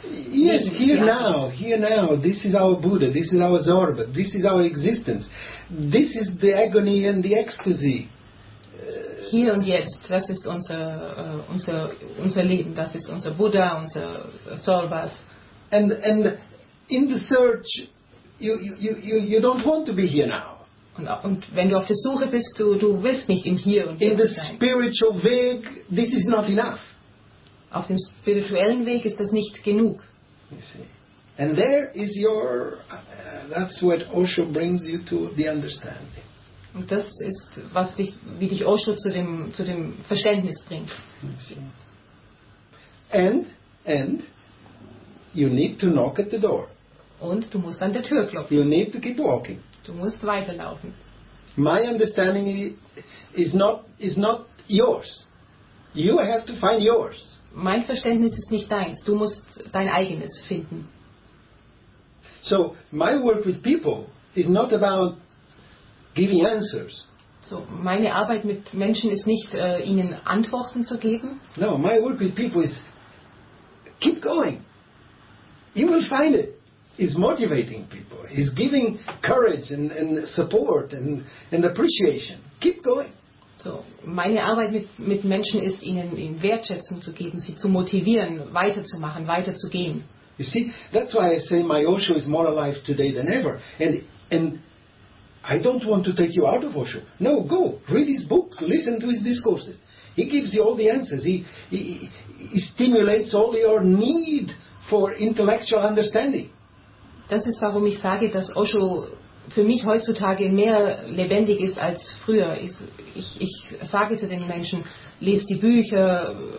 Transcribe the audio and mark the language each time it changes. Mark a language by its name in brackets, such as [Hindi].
[English] Yes, here now, this is our Buddha, this is our Zorba, this is our existence. This is the agony and the ecstasy. [German] Hier und jetzt, das ist unser Leben, das ist unser Buddha, unser Zorbas. [English] And in the search, you don't want to be here now. [German] Und wenn du auf der Suche bist, du willst nicht im Hier und Jetzt sein. [English] the spiritual Weg, this is not enough. [German] Auf dem spirituellen Weg ist das nicht genug. [English] You see. And there is your that's what Osho brings you to the understanding. [German] Und das ist was dich wie dich Osho zu dem Verständnis bringt. [English] And you need to knock at the door. [German] Und du musst an der Tür klopfen. [English] You need to keep walking. [German] Du musst weiterlaufen. [English] My understanding is not yours. You have to find yours. [German] Mein Verständnis ist nicht deins. Du musst dein eigenes finden. [English] So, my work with people is not about giving answers. [German] So meine Arbeit mit Menschen ist nicht ihnen Antworten zu geben. [English] No, my work with people is keep going. You will find it. Is motivating people. Is giving courage and support and appreciation. Keep going. [German] So meine Arbeit mit Menschen ist ihnen Wertschätzung zu geben, sie zu motivieren, weiterzumachen, weiterzugehen. [English] You see, that's why I say my Osho is more alive today than ever. And I don't want to take you out of Osho. No, go, read his books, listen to his discourses. He gives you all the answers. He stimulates all your need for intellectual understanding. [German] Das ist, warum ich sage, dass Osho für mich heutzutage mehr lebendig ist als früher. Ich sage zu den Menschen, lest die Bücher,